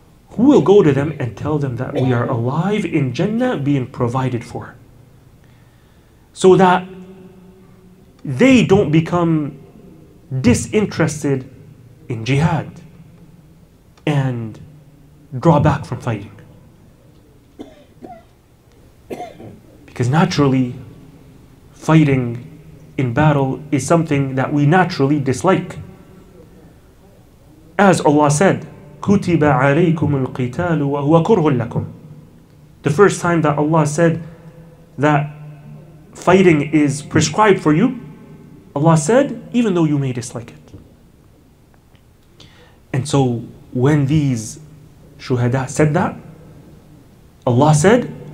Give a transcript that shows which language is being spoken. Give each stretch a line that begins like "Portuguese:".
English: Who will go to them and tell them that we are alive in Jannah being provided for, so that they don't become disinterested in jihad and draw back from fighting? Because naturally, fighting in battle is something that we naturally dislike. As Allah said,
Arabic: كُتِبَ عَلَيْكُمُ الْقِتَالُ وَهُوَ كُرْهٌ لَكُمْ.
English: The first time that Allah said that fighting is prescribed for you, Allah said, even though you may dislike it. And so when these shuhada said that, Allah said,